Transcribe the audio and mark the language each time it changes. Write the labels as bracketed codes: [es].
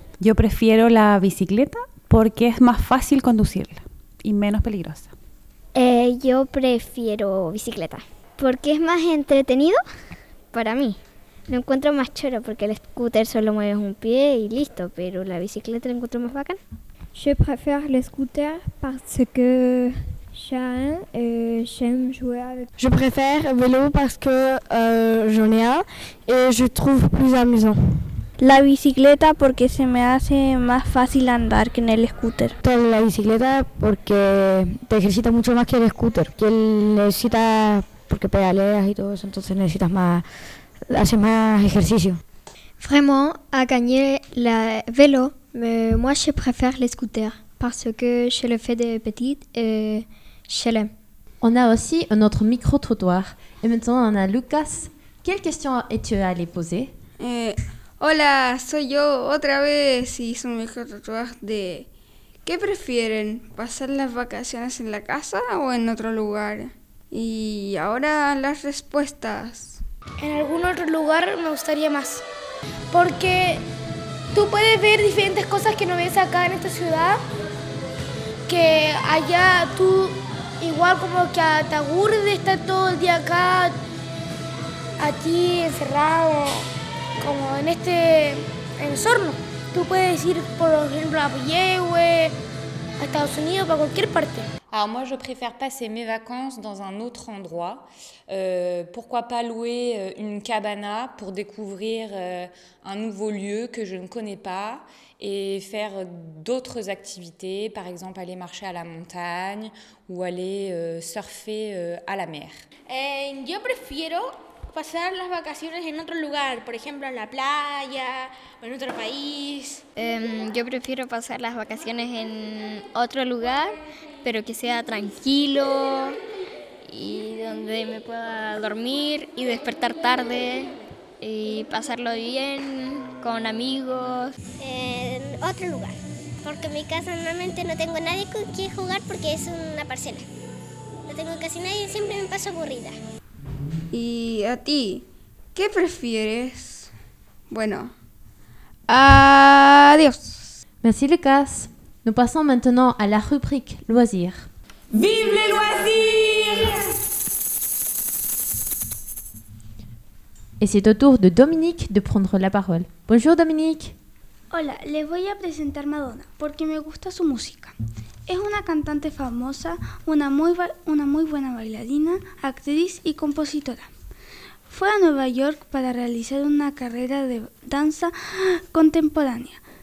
[es] Yo prefiero la bicicleta porque es más fácil conducirla y menos peligrosa. Yo prefiero bicicleta porque es más entretenido para mí. Lo encuentro más choro porque el scooter solo mueves un pie y listo, pero la bicicleta la encuentro más bacán. [fr] Je préfère le scooter parce que j'aime jouer avec. Je préfère vélo parce que j'en ai un et je trouve plus amusant. La bicicleta porque se me hace más fácil andar que en el scooter. La bicicleta porque te ejercita mucho más que el scooter, que necesita porque pedaleas y todo eso, entonces necesitas más, hace más ejercicio. Vraiment, a gagné la vélo, mais moi je préfère le scooter parce que je le fais de petite et je l'aime. On a aussi un autre micro trottoir et maintenant on a Lucas. Quelle question es-tu allé poser? [es] Hola, soy yo otra vez y hice un micro trottoir de ¿qué prefieren, pasar las vacaciones en la casa o en otro lugar? Y ahora las respuestas. En algún otro lugar me gustaría más, porque tú puedes ver diferentes cosas que no ves acá en esta ciudad, que allá tú igual como que te aburres de estar todo el día acá, aquí encerrado, como en este ensorno. Tú puedes ir, por ejemplo, a Villehue, a Estados Unidos, para cualquier parte. [fr] Alors moi, je préfère passer mes vacances dans un autre endroit. Pourquoi pas louer une cabana pour découvrir un nouveau lieu que je ne connais pas et faire d'autres activités, par exemple aller marcher à la montagne ou aller surfer à la mer. [es] Yo prefiero pasar las vacaciones en otro lugar, por ejemplo en la playa o en otro país. Yo prefiero pasar las vacaciones en otro lugar, pero que sea tranquilo y donde me pueda dormir y despertar tarde y pasarlo bien con amigos. En otro lugar, porque en mi casa normalmente no tengo nadie con quien jugar porque es una parcela. No tengo casi nadie y siempre me paso aburrida. ¿Y a ti? ¿Qué prefieres? Bueno, adiós. [fr] Merci Lucas. Nous passons maintenant à la rubrique loisirs. Vive les loisirs! Et c'est au tour de Dominique de prendre la parole. Bonjour Dominique. [es] Hola, les voy a presentar Madonna porque me gusta su música. Es una cantante famosa, una muy buena bailarina, actriz y compositora. Fue a Nueva York para realizar una carrera de danza contemporánea.